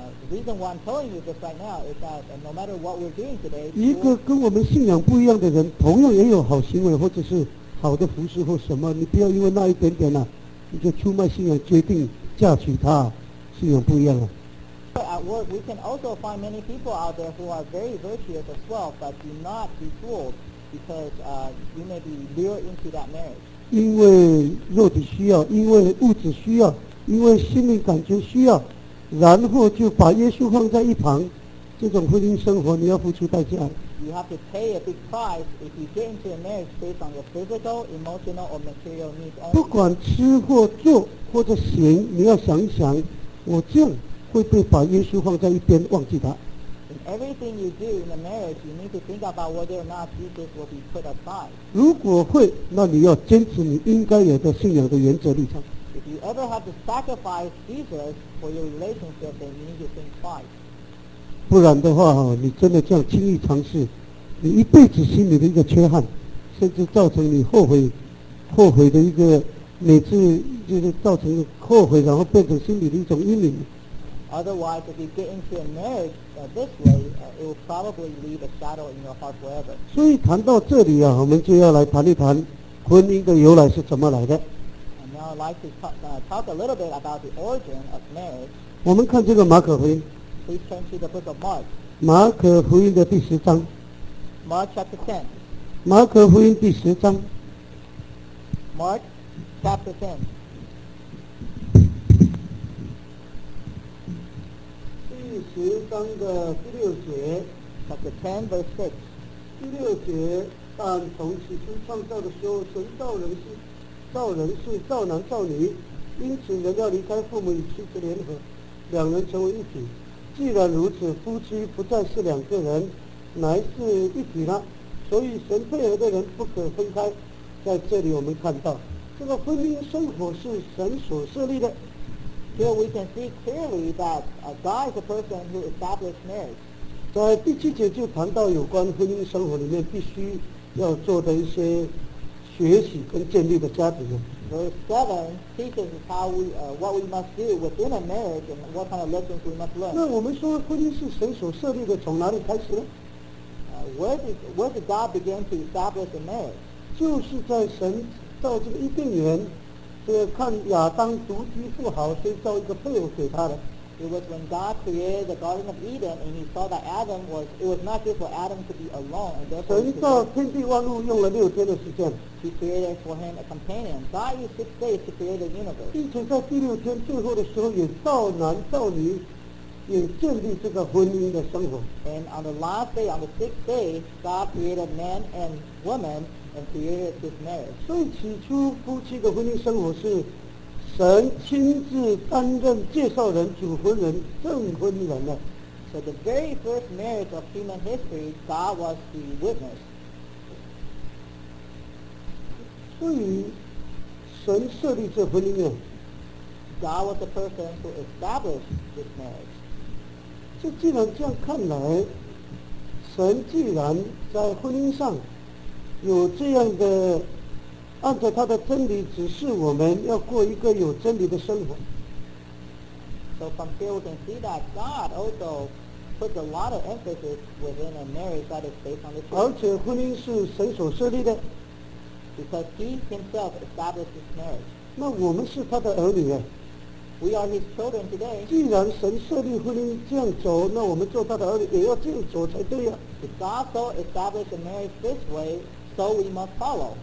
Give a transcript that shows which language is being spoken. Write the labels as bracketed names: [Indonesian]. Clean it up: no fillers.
[English] The reason why I'm telling you this right now is that no matter what we're doing today, [Chinese] 一个跟我们信仰不一样的人，同样也有好行为或者是好的服侍或什么。你不要因为那一点点呢、啊，你就出卖信仰，决定嫁娶他。信仰不一样了、啊。 [English] At work, we can also find many people out there who are very virtuous as well, but do not be fooled because you may be lured into that marriage. [Chinese] 因为肉体需要，因为物质需要，因为心灵感觉需要。然后就把耶稣放在一旁，这种婚姻生活你要付出代价。 [English] You have to pay a big price if you get into a marriage based on your physical, emotional, or material needs. [Chinese] 不管吃或做或者行，你要想一想，我这样会不会把耶稣放在一边，忘记他。 [English] In everything you do in a marriage, you need to think about whether or not Jesus will be put aside. [Chinese] 如果会，那你要坚持你应该有的信仰的原则立场。 [English] If you ever have to sacrifice Jesus for your relationship, then you need to think twice. [Chinese] 不然的话，你真的这样轻易尝试，你一辈子心里的一个缺憾，甚至造成你后悔的一个，每次就是造成后悔，然后变成心里的一种阴影。 [English] Otherwise, if you get into a marriage this way, it will probably leave a shadow in your heart forever. [Chinese] 所以谈到这里啊，我们就要来谈一谈婚姻的由来是怎么来的。 [English] I'd like to talk a little bit about the origin of marriage. [Chinese] 我们看这个马可福音。 [English] Please turn to the book of Mark. [Chinese] 马可福音的第十章。 [English] Mark chapter 10. [Chinese] 马可福音第十章。 [English] Mark chapter 10. [Chinese] 第十章的第六节。 [English] Chapter 10 verse 6. [Chinese] 第六节，但从起初创造的时候，神造人是。造人是造男造女，因此人要离开父母与妻子联合，两人成为一体。既然如此，夫妻不再是两个人，乃是一体了。所以神配合的人不可分开。在这里我们看到，这个婚姻生活是神所设立的。 [English] Here we can see clearly that a God is a person who established marriage. [Chinese] 在第七节就谈到有关婚姻生活里面必须要做的一些。学习跟建立的家庭。 [English] Verse 7 teaches us how we, what we must do within a marriage and what kind of lessons we must learn. [Chinese] 那我们说婚姻是神所设立的，从哪里开始呢？ [English] Where did God begin to establish a marriage? [Chinese] 就是在神造这个伊甸园，这个看亚当独居不好，所以造一个配偶给他的。 [English] It was when God created the Garden of Eden and he saw that it was not good for Adam to be alone. And therefore [Chinese] 神造天地万物用了六天的时间。 [English] He created for him a companion. God used 6 days to create the universe. [Chinese] 并且在第六天最后的时候也造男造女，也建立这个婚姻的生活。 [English] And on the last day, on the sixth day, God created man and woman and created this marriage. [Chinese] 所以起初夫妻的婚姻生活是神亲自担任介绍人、主婚人、证婚人的。 [English] So the very first marriage of human history, God was the witness. [Chinese] 所以神设立这婚姻呢 [English] ？God was the person who established this marriage. [Chinese] 这既然这样看来，神既然在婚姻上有这样的。按照他的真理指示我们要过一个有真理的生活。 [English] So from here we can see that God also puts a lot of emphasis within a marriage that is based on the truth. [Chinese] 而且婚姻是神所设立的。 [English] Because he himself established this marriage. [Chinese] 那我们是他的儿女啊。 [English] We are his children today. [Chinese] 既然神设立婚姻这样走，那我们做他的儿女也要这样走才对啊。 [English] If God so established a marriage this way,So we must follow.